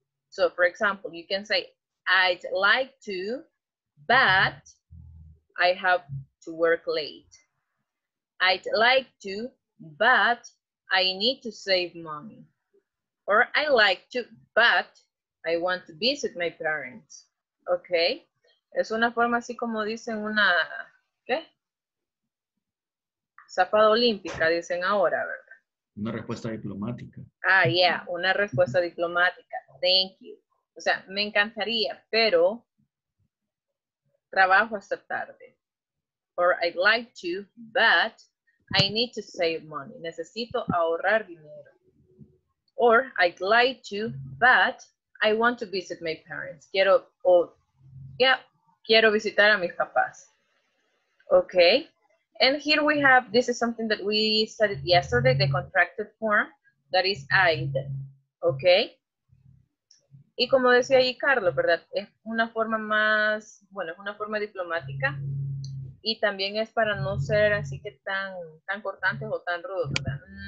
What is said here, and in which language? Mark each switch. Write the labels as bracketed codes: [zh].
[en] So for example, you can say, I'd like to, but I have to work late. I'd like to, but I need to save money. Or I like to, but I want to visit my parents. [es] Okay? Es una forma así como dicen una, ¿qué? Zapada olímpica, dicen ahora, ¿verdad? Una respuesta diplomática. [en] Ah, yeah, [es] una respuesta diplomática. [en] Thank you. [es] O sea, me encantaría, pero trabajo hasta tarde. [en] Or I'd like to, but I need to save money. [es] Necesito ahorrar dinero. [en] Or I'd like to, but I want to visit my parents. [es] Quiero, quiero visitar a mis papás. Okay. [en] And here we have, this is something that we studied yesterday, the contracted form, that is I'd. [es] Okay. Y como decía ahí Carlos, ¿verdad? Es una forma más, bueno, es una forma diplomática. Y también es para no ser así que tan, tan cortantes o tan rudos, ¿verdad?